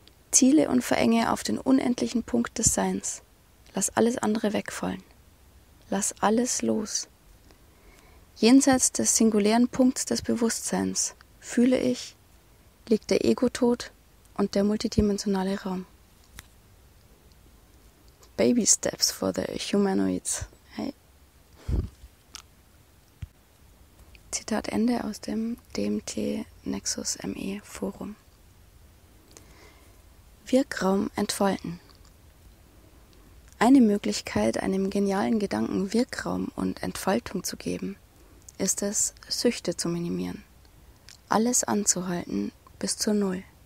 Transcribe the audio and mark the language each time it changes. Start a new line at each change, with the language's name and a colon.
German: Ziele und verenge auf den unendlichen Punkt des Seins. Lass alles andere wegfallen. Lass alles los. Jenseits des singulären Punkts des Bewusstseins, fühle ich, liegt der Ego-Tod und der multidimensionale Raum.
English: Baby steps for the humanoids. Hey.
German: Zitat Ende aus dem DMT Nexus ME Forum. Wirkraum entfalten. Eine Möglichkeit, einem genialen Gedanken Wirkraum und Entfaltung zu geben, ist es, Süchte zu minimieren, alles anzuhalten bis zur Null.